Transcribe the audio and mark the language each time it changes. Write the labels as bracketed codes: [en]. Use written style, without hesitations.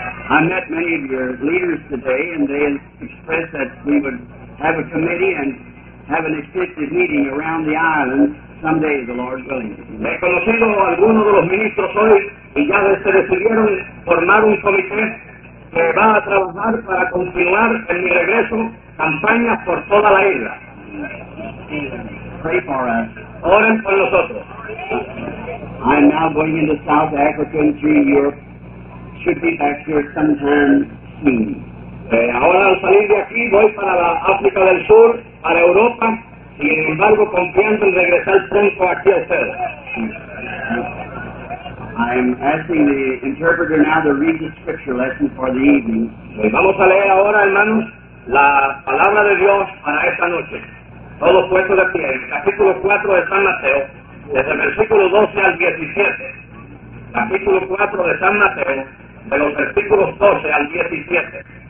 [en] I met many of your leaders today and they expressed that we would have a committee and have an extensive meeting around the island someday, the Lord willing. [es] He conocido a algunos de los ministros hoy y ya se decidieron formar un comité que va a trabajar para continuar en mi regreso campañas por toda la isla. [en] Pray for us. [es] Oren por nosotros. [en] I'm now going into South Africa and through Europe. Should be back here sometime soon. [es] Ahora al salir de aquí voy para la África del Sur, para Europa, sin embargo confiando en regresar pronto aquí a ustedes. [en] I'm asking the interpreter now to read the scripture lesson for the evening. [es] Vamos a leer ahora, hermanos, la palabra de Dios para esta noche. Todo puesto de pie. Capítulo 4 de San Mateo, desde el versículo 12 al 17. Capítulo 4 de San Mateo, de los versículos 12 al 17.